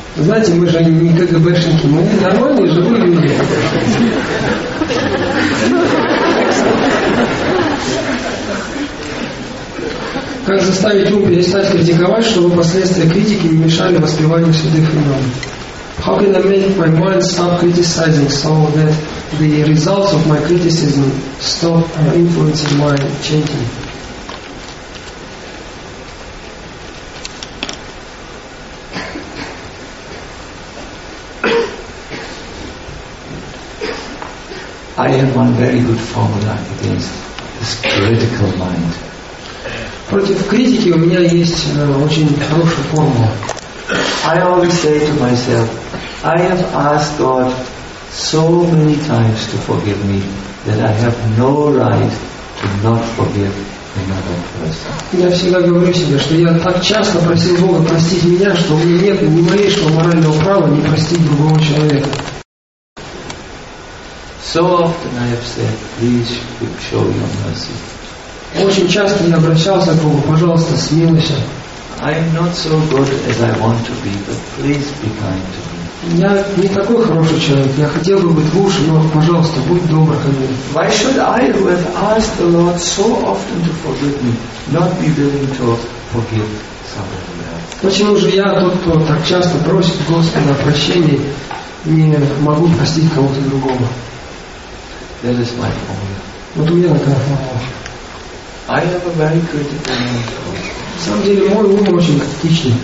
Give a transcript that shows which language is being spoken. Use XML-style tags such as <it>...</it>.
<ru>Знаете, мы же не КГБшники, мы не нормальные живые люди. Как заставить ум перестать критиковать, чтобы последствия критики не мешали воспеванию святых имен?</ru> <en>How can I make my mind stop criticizing so that the results of my criticism stop influencing my chanting? I have one very good formula against this critical mind.</en> <ru>Против критики у меня есть очень хорошая формула.</ru> <en>I always say to myself, I have asked God so many times to forgive me that I have no right to not forgive another person.</en> <ru>Я всегда говорю себе, что я так часто просил Бога простить меня, что у меня нет ни малейшего морального права не простить другого человека.</ru> <en>So often I have said, please show your mercy.</en> <ru>Очень часто я обращался к Богу, пожалуйста, смилуйся.</ru> <en>I am not so good as I want to be, but please be kind to me.</en> <ru>Я не такой хороший человек, я хотел бы быть лучше, но, пожалуйста, будь добр ко мне.</ru> <en>Why should I, who have asked the Lord so often to forgive me, not be willing to forgive somebody else?</en> <ru>Почему же я, тот, кто так часто просит Господа о прощении, не могу простить кого-то другого?</ru> <en>That is my formula.</en> <ru>Вот у меня такая формула.</ru> <en>I have a very critical mind also.</en> <ru>В самом деле, мой ум очень критичный.</ru>